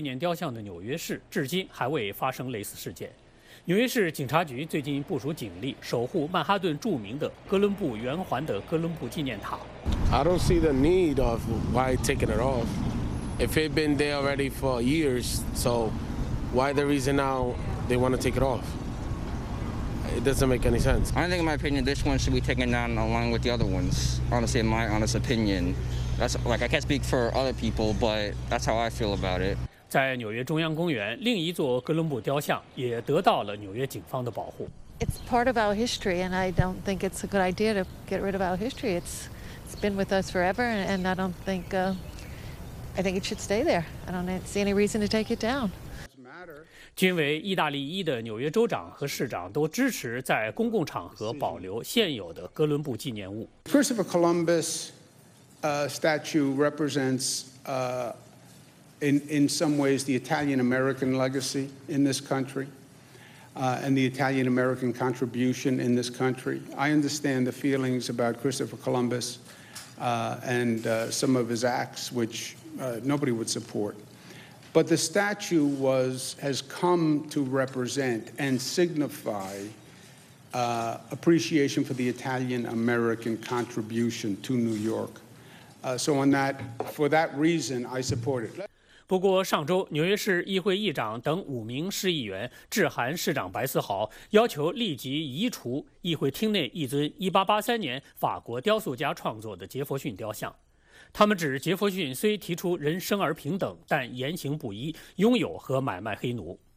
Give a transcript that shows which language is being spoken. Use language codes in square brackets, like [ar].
[zh] 哥伦布雕像被推倒或遭破坏的地方有明尼苏达州的圣保罗市、波士顿、维吉尼亚大学、迈阿密和芝加哥。波特兰和芝加哥是首先把矛头对准美国建国者雕像的城市。在波特兰，一座杰弗逊雕像和一座华盛顿雕像被推倒。在芝加哥和巴尔的摩，华盛顿雕像遭涂鸦和涂红漆破坏，但是拥有800多座纪念雕像的纽约市至今还未发生类似事件。纽约市警察局最近部署警力守护曼哈顿著名的哥伦布圆环的哥伦布纪念塔。 [en] I don't see the need of why taking it off. If it been there already for years, so why the reason now they want to take it off? It doesn't make any sense. I think in my opinion, this one should be taken down along with the other ones. Honestly, in my honest opinion, that's like I can't speak for other people, but that's how I feel about it. [zh] 在纽约中央公园，另一座哥伦布雕像也得到了纽约警方的保护。 [en] It's part of our history, and I don't think it's a good idea to get rid of our history. It's It's been with us forever, and I don't think, I think it should stay there. I don't see any reason to take it down. [zh] 均为意大利裔的纽约州长和市长都支持在公共场合保留现有的哥伦布纪念物。 [en] Christopher Columbus, statue represents, in some ways, the Italian-American legacy in this country, and the Italian-American contribution in this country. I understand the feelings about Christopher Columbus, and some of his acts, which, nobody would support. But the statue has come to represent and signify appreciation for the Italian-American contribution to New York. So on that, for that reason, I support it. [zh] 不过上周纽约市议会议长等五名市议员致函市长白思豪，要求立即移除议会厅内一尊1883年法国雕塑家创作的杰弗逊雕像。他们指杰弗逊虽提出人生而平等，但言行不一，拥有和买卖黑奴。